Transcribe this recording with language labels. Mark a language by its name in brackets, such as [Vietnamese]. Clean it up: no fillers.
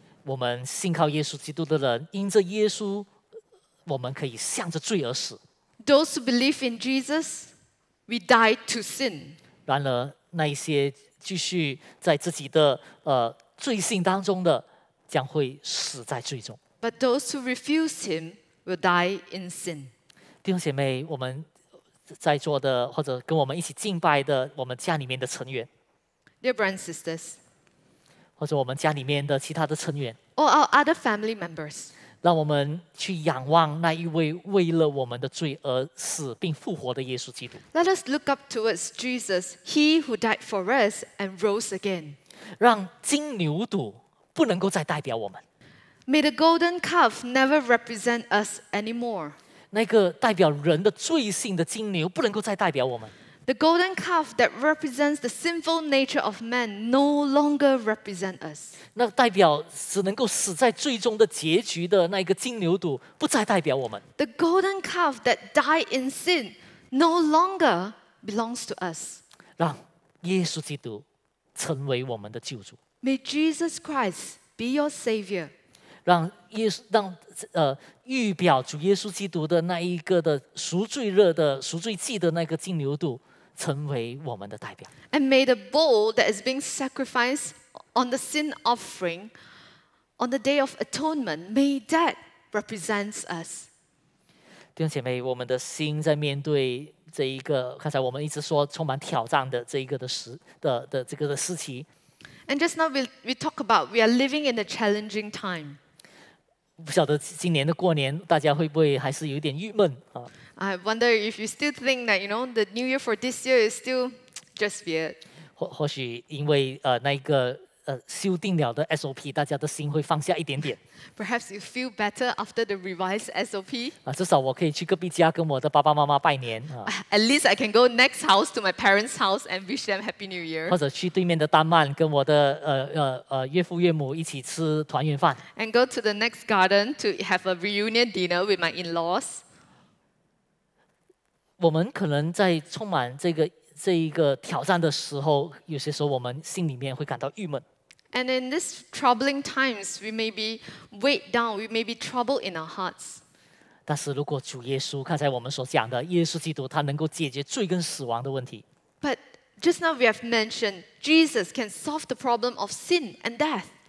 [Chinese] 我们信靠耶稣基督的人，因着耶稣，我们可以向着罪而死。 [English] Those who believe in Jesus, we die to sin. [Chinese] 然而，那一些继续在自己的罪性当中的，将会死在罪中。 [English] But those who refuse Him will die in sin. [Chinese] 弟兄姐妹，我们在座的或者跟我们一起敬拜的，我们家里面的成员。 [English] Dear brothers and sisters. [Chinese] 或者我们家里面的其他的成员。 [English] Or our other family members. [Chinese] 让我们去仰望那一位为了我们的罪而死并复活的耶稣基督。 [English] Let us look up towards Jesus, He who died for us and rose again. [Chinese] 让金牛犊不能够再代表我们。 [English] May the golden calf never represent us anymore. [Chinese] 那个代表人的罪性的金牛不能够再代表我们。 [English] The golden calf that represents the sinful nature of man no longer represents us. [Chinese] 那代表只能够死在最终的结局的那个金牛犊不再代表我们。 [English] The golden calf that died in sin no longer belongs to us. [Chinese] 让耶稣基督成为我们的救主。 [English] May Jesus Christ be your savior. [Chinese] 让预表主耶稣基督的那一个的赎罪热的赎罪祭的那个金牛犊成为我们的代表。 [English] And may the bull that is being sacrificed on the sin offering on the day of atonement, may that represents us. [Chinese] 弟兄姐妹，我们的心在面对这一个刚才我们一直说充满挑战的这一个的时的的这个的时期。 [English] And just now we talk about we are living in a challenging time. [Chinese] 不晓得今年的过年大家会不会还是有点郁闷啊。 [English] I wonder if you still think that, you know, the new year for this year is still just weird. [Chinese] 或许因为那个修订了的 SOP, 大家的心会放下一点点。 [English] Perhaps you feel better after the revised SOP. [Chinese] 至少我可以去隔壁家跟我的爸爸妈妈拜年。 [English] At least I can go next house to my parents' house and wish them Happy New Year. [Chinese] 或者去对面的丹曼跟我的岳父岳母一起吃团圆饭。 [English] And go to the next garden to have a reunion dinner with my in-laws. [Chinese] 我们可能在充满这一个挑战的时候，有些时候我们心里面会感到郁闷。 [English] And in these troubling times, we may be weighed down, we may be troubled in our hearts. [Chinese] 但是如果主耶稣刚才我们所讲的耶稣基督他能够解决罪跟死亡的问题 [English] But just now we have mentioned Jesus can solve the problem of sin and death